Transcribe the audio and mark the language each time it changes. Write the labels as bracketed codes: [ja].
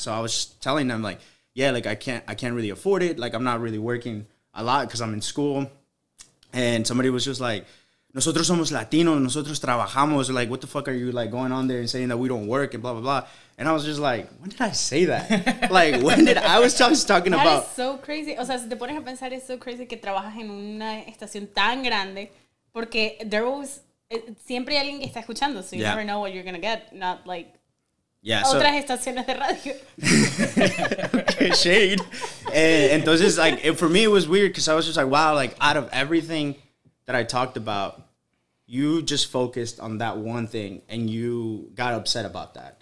[en] So I was telling them, like, yeah, like, I can't really afford it. Like, I'm not really working a lot because I'm in school. And somebody was just like, [es] nosotros somos Latinos, nosotros trabajamos. [en] Like, what the fuck are you, like, going on there and saying that we don't work and blah, blah, blah. And I was just like, when did I say that? Like, when did I was just talking that about. That is so crazy. [es] O sea, si te pones a pensar, es [en] so crazy [es] que trabajas en una estación tan grande. Porque [en] there was, [es] siempre hay alguien que está escuchando. [en] So you never know what you're going to get. Not like [es] otras estaciones de radio. [en] Shade. [es] Entonces, [en] like, for me, it was weird because I was just like, wow, like, out of everything that I talked about, you just focused on that one thing and you got upset about that.